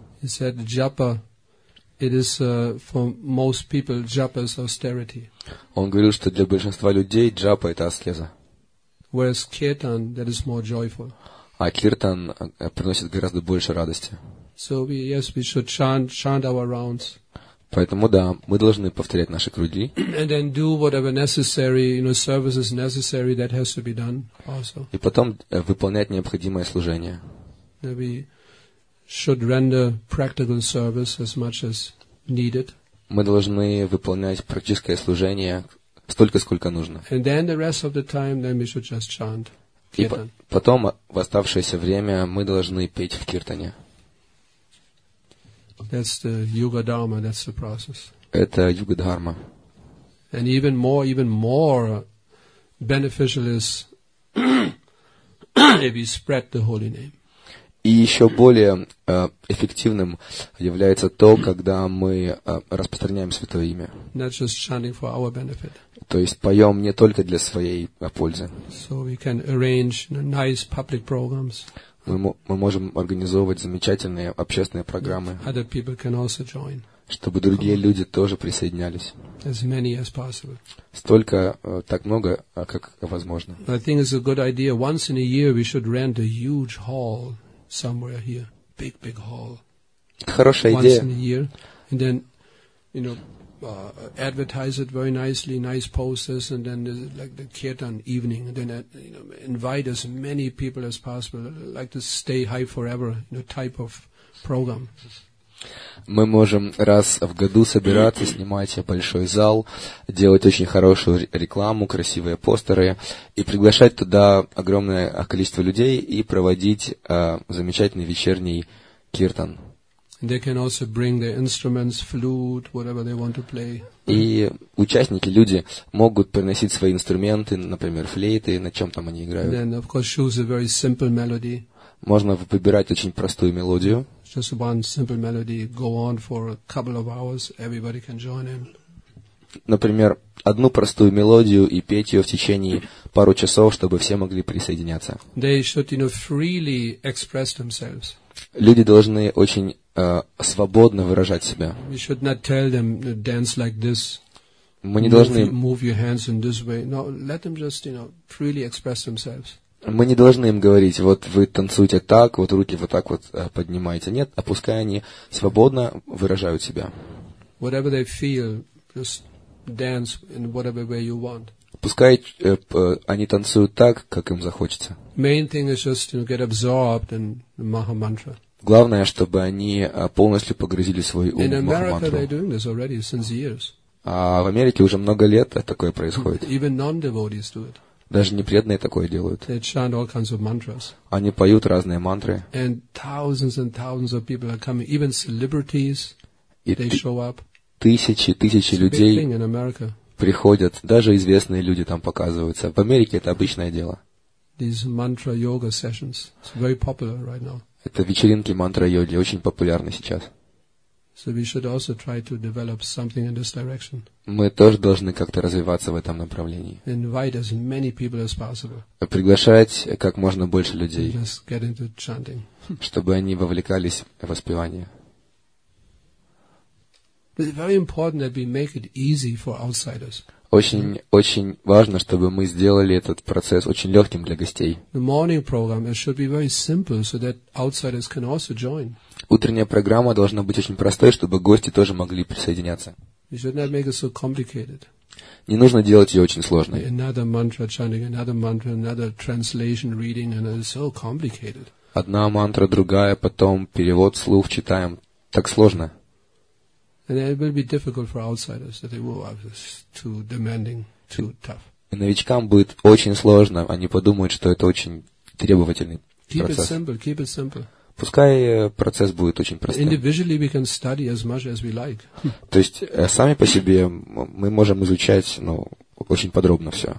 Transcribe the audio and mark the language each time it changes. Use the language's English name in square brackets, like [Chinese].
[English] He said, "Japa, it is for most people, japa is austerity." [Russian] Он говорил, что для большинства людей джапа это аскеза. [English] Whereas kirtan, that is more joyful. [Russian] А киртан приносит гораздо больше радости. [English] So we should chant our rounds. [Russian] Поэтому да, мы должны повторять наши круги. [English] And then do whatever necessary, you know, services necessary that has to be done also. [Russian] И потом выполнять необходимое служение. [English] That we should render practical service as much as needed. [Russian] Мы должны выполнять практическое служение. Столько, сколько нужно. [English] And then the рest of the time, then we should just chant. [Russian] И потом в оставшееся время мы должны петь в киртане. [English] That's the yuga dharma. That's the process. [Russian] Это юга дхарма. [English] And even more beneficial is if we spread the holy name. [Russian] И еще более эффективным является то, когда мы распространяем Святое Имя. [English] Not just chanting for our benefit. [Russian] То есть поем не только для своей пользы. [English] So we can arrange nice public programs. [Russian] Мы можем организовывать замечательные общественные программы, [English] other people can also join. [Russian] Чтобы другие люди тоже присоединялись. [English] As many as possible. [Russian] Столько, так много, как возможно. [English] I think it's a good idea. Once in a year we should rent a huge hall somewhere here. Big, big hall. [Russian] Хорошая [English] Once [Russian] идея. [English] Once in a year. And then, you know, advertise it very nicely, nice posters, and then like the kirtan evening, and then you know, invite as many people as possible, like the stay high forever, you know, type of program. [Russian] Мы можем раз в году собираться, снимать большой зал, делать очень хорошую рекламу, красивые постеры и приглашать туда огромное количество людей и проводить замечательный вечерний киртан. [English] They can also bring their instruments, flute, whatever they want to play. [Russian] И участники, люди, могут приносить свои инструменты, например, флейты, на чем там они играют. [English] Then, of course, choose a very simple melody. [Russian] Можно выбирать очень простую мелодию. [English] Just one simple melody, go on for a couple of hours, everybody can join in. [Russian] Например, одну простую мелодию и петь ее в течение пару часов, чтобы все могли присоединяться. [English] They should, you know, freely express themselves. [Russian] Люди должны очень свободно выражать себя. [English] We should not tell them to dance like this. [Russian] Мы не должны... [English] Move your hands in this way. No, let them just, you know, freely express themselves. [Russian] Мы не должны им говорить, вот вы танцуете так, вот руки вот так вот поднимаете. Нет, а пускай они свободно выражают себя. [English] Whatever they feel, just dance in whatever way you want. [Russian] Пускай они танцуют так, как им захочется. [English] Main thing is just, you know, get absorbed in the Maha Mantra. [Russian] Главное, чтобы они полностью погрузили свой ум [English] in [Russian] в Маха-мантру. [English] They're doing this already, since years. [Russian] А в Америке уже много лет такое происходит. [English] Even non-devotees do it. [Russian] Даже непреданные такое делают. [English] They chant all kinds of mantras. [Russian] Они поют разные мантры. [English] And thousands and thousands of people are coming. Even celebrities, they show up. [Russian] Тысячи, тысячи людей приходят. Даже известные люди там показываются. В Америке это обычное дело. [English] These mantra yoga sessions. It's very popular right now. [Russian] Это вечеринки мантра-йоги. Очень популярны сейчас. [English] So we should also try to develop something in this direction. [Russian] Мы тоже должны как-то развиваться в этом направлении. [English] Invite as many people as possible. [Russian] Приглашать как можно больше людей. [English] Just get into chanting. [Russian] Чтобы они вовлекались в воспевание. [English] It's very important that we make it easy for outsiders. [Russian] Очень-очень важно, чтобы мы сделали этот процесс очень легким для гостей. [English] The morning program, it should be very simple, so that outsiders can also join. [Russian] Утренняя программа должна быть очень простой, чтобы гости тоже могли присоединяться. [English] You should not make it so complicated. [Russian] Не нужно делать ее очень сложной. [English] Another mantra chanting, another mantra, another translation reading, and it's so complicated. [Russian] Одна мантра, другая, потом перевод слух читаем. Так сложно. [English] And it will be difficult for outsiders, that they will be too demanding, too tough. [Russian] И новичкам будет очень сложно, они подумают, что это очень требовательный процесс. [English] Keep it simple, keep it simple. [Russian] Пускай процесс будет очень простым. [English] Individually we can study as much as we like. [Russian] То есть сами по себе мы можем изучать, ну, очень подробно все.